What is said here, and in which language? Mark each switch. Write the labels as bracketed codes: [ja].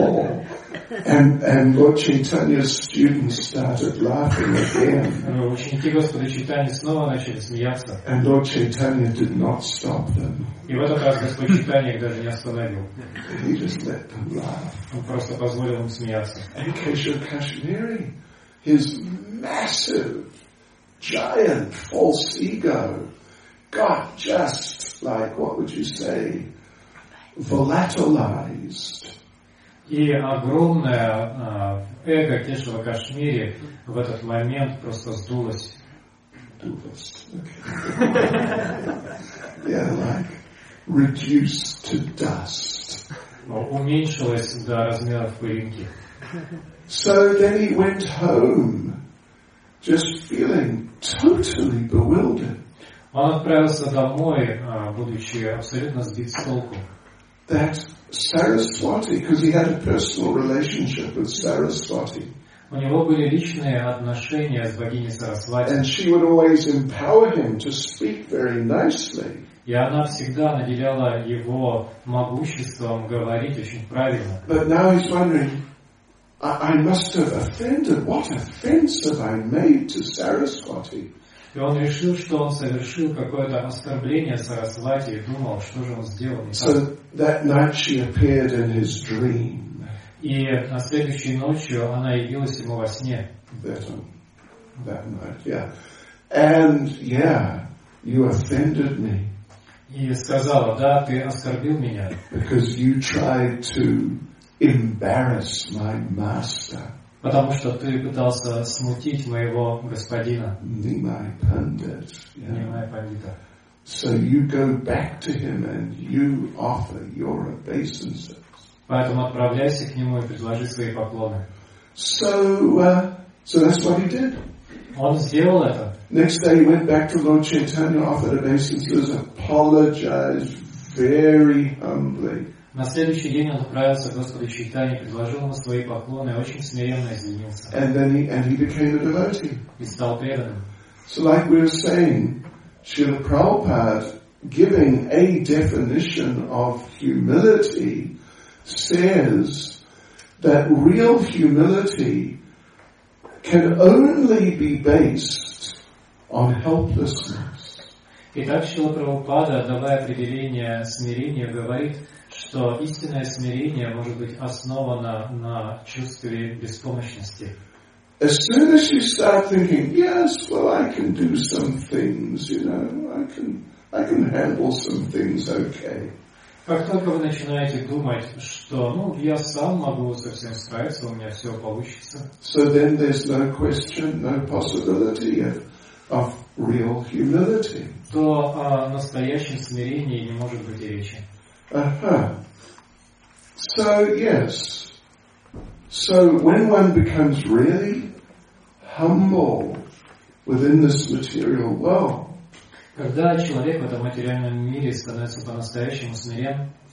[en] And Lord Chaitanya's students started laughing again. [ru] Ученики Господа Чайтаньи снова начали смеяться. [en] And Lord Chaitanya did not stop them. [ru] И в этот раз Господь Чайтанья их даже не остановил. [en] He just let them laugh. [ru] Он просто позволил им смеяться. [en] And Keshav Kashmiri, his massive, giant, false ego, got just like, what would you say, volatilized. [ru] И огромное эго Кешава Кашмири в этот момент просто сдулось. [en] Okay. Yeah, like reduced to dust. [ru] Уменьшилось до размеров пылинки. [en] So then he went home, just feeling totally bewildered. [ru] Он отправился домой, будучи абсолютно сбит с толку. [en] That Saraswati, because he had a personal relationship with Saraswati. [ru] У него были личные отношения с богиней Сарасвати. [en] And she would always empower him to speak very nicely. [ru] И она всегда наделяла его могуществом говорить очень правильно. [en] But now he's wondering, I must have offended. What offense have I made to Saraswati? [ru] И он решил, что он совершил какое-то оскорбление Сарасвати и думал, что же он сделал не так. [en] So that night she appeared in his dream. [ru] И на следующей ночью она явилась ему во сне. [en] That night, yeah. And yeah, you offended me. [ru] И сказала, да, ты оскорбил меня. [en] Because you tried to embarrass my master. [ru] Потому что ты пытался смутить моего господина. [en] Nimai Pandit. [ru] Nimai Pandita. [en] So you go back to him and you offer your obeisances. [ru] Поэтому отправляйся к нему и предложи свои поклоны. [en] So that's what he did. [ru] Он сделал это. [en] Next day he went back to Lord Chaitanya, offered obeisances, apologized very humbly. [ru] На следующий день он отправился к Господу Чайтанье, предложил ему свои поклоны и очень смиренно извинился. [en] And he became a devotee. [ru] И стал преданным. [en] So like we were saying, Srila Prabhupada giving a definition of humility says that real humility can only be based on helplessness. [ru] Итак, Шрила Прабхупада, давая определение смирения, говорит, что истинное смирение может быть основано на чувстве беспомощности. [en] As soon as you start thinking, yes, well, I can do some things, you know, I can handle some things, okay. [ru] Как только вы начинаете думать, что, ну, я сам могу со всем справиться, у меня все получится. [en] So then there's no question, no possibility of real humility. [ru] То о настоящем смирении не может быть речи. [en] So yes. So when one becomes really humble within this material world, [ru] когда человек в этом материальном мире становится по-настоящему смирен,